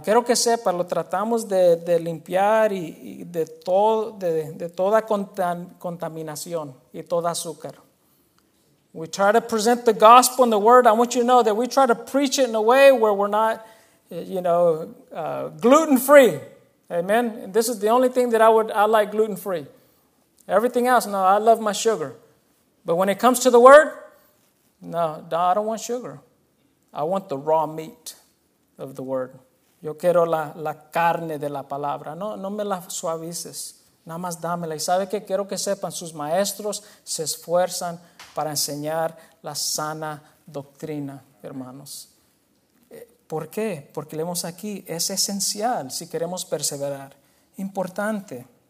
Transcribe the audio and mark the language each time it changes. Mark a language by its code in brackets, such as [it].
[es] Quiero que sepa, lo tratamos de limpiar y de toda contaminación y todo azúcar. [en] We try to present the gospel and the word. I want you to know that we try to preach it in a way where we're not, you know, gluten free. Amen. This is the only thing that I like gluten free. Everything else, no, I love my sugar. But when it comes to the word, no, I don't want sugar. I want the raw meat of the word. [es] Yo quiero la carne de la palabra. No, no me la suavices. Nada más dámela. Y sabe que quiero que sepan, sus maestros se esfuerzan para enseñar la sana doctrina, hermanos. ¿Por qué? Porque leemos aquí, es esencial si queremos perseverar. Importante.